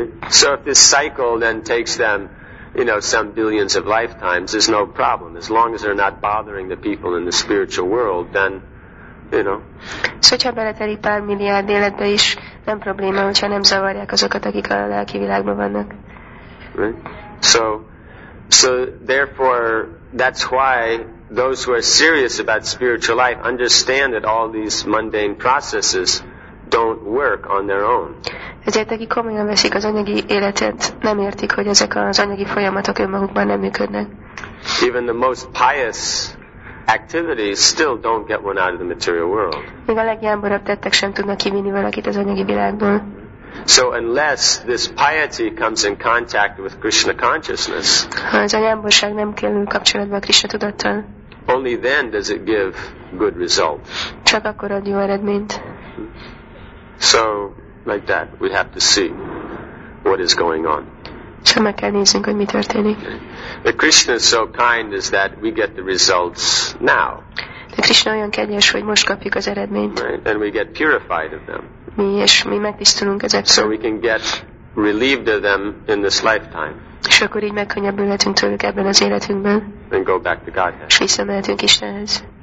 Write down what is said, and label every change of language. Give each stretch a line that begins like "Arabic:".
English: So if this cycle then takes them, you know, some billions of lifetimes, there's no problem. As long as they're not bothering the people in the spiritual world, then, you know.
Hungarian: Szóval beleterik pár milliárd életbe is, nem probléma, hogyha nem zavarják azokat, akik a lelki világban vannak.
English: Right? So therefore, that's why those who are serious about spiritual life understand that all these mundane processes don't work on their own.
Hungarian: Ezért, akik komolyan veszik az anyagi életet, nem értik, hogy ezek az anyagi folyamatok önmagukban nem működnek.
English: Even the most pious activities still don't get one out of the material world.
Hungarian: Még a legjámborabb tettek sem tudnak kivinni valakit az anyagi világból.
English: So unless this piety comes in contact with Krishna consciousness,
Hungarian: ha ez a jámborság nem kerül kapcsolatba a Krishna tudattal,
English: only then does it give good result.
Hungarian: Csak akkor ad jó eredményt.
English: So, like that, we have to see what is going on.
Hungarian: Csak meg kell néznünk, hogy mi történik.
English: The Krishna is so kind is that we get the results now.
Hungarian: De Krishna olyan kedves, hogy most kapjuk az eredményt.
English: Right? And we get purified of them.
Hungarian: Mi megtisztulunk ezekről.
English: So we can get relieved of them in this lifetime.
Hungarian: És akkor így megkönnyebbülhetünk tőlük ebben az életünkben.
English: And go back to Godhead.
Hungarian: És visszamehetünk Istenhez.